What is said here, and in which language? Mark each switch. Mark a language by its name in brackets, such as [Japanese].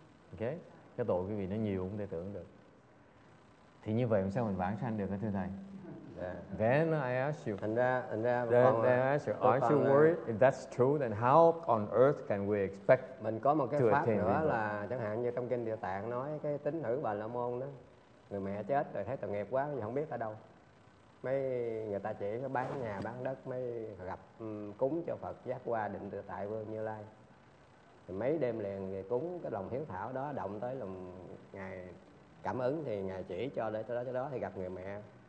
[Vietnamese] Okay? Cái tội quý vị nó nhiều không thể tưởng được. Thì như vậy làm sao mình vãng sanh được hả thưa thầy? [English] Then I ask you. Aren't you worried? If that's true, then how on earth can we expect? [Vietnamese] Mình có một cái pháp nữa là chẳng hạn như trong kinh Địa Tạng nói cái tín nữ Bà La Môn đó, người mẹ chết rồi thấy tội nghiệp quá, giờ không biết ở đâu. Mấy người ta chỉ có bán nhà bán đất mới gặp cúng cho Phật giác qua định tự tại Vương Như Lai. Thì mấy đêm liền người cúng cái lòng hiếu thảo đó động tới lòng ngài cảm ứng thì ngài chỉ cho để tới đó tới đó thì gặp người mẹ.